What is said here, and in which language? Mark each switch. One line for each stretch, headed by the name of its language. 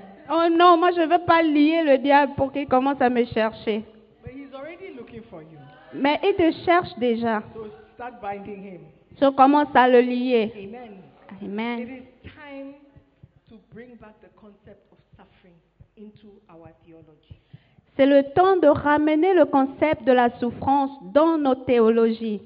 French: Oh non, moi je ne veux pas lier le diable pour qu'il commence à me chercher.
English: But he's already looking for you.
French: Mais il te cherche déjà.
English: So start binding him.
French: So commence à le lier. Amen. Amen.
English: It is time to bring back the concept of suffering into our theology.
French: C'est le temps de ramener le concept de la souffrance dans nos théologies.